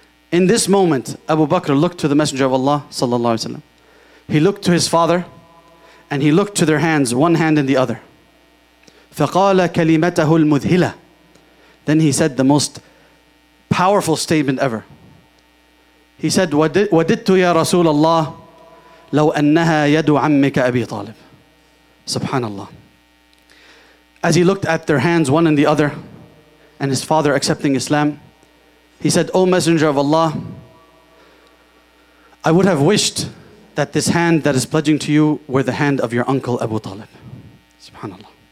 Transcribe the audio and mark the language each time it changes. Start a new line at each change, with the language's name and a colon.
English: In this moment, Abu Bakr looked to the Messenger of Allah, sallallahu alaihi wasallam. He looked to his father, and he looked to their hands, one hand and the other.
Arabic: فَقَالَ كَلِمَتَهُ الْمُذْهِلَةِ
English: Then he said the most powerful statement ever. He said,
Arabic: وَدِدْتُ يَا رَسُولَ اللَّهِ لَوْ أَنَّهَا يَدُ عَمِّكَ أَبِي طَالِبٍ SubhanAllah.
English: As he looked at their hands, one and the other, and his father accepting Islam, he said, O Messenger of Allah, I would have wished that this hand that is pledging to you were the hand of your uncle Abu Talib. SubhanAllah.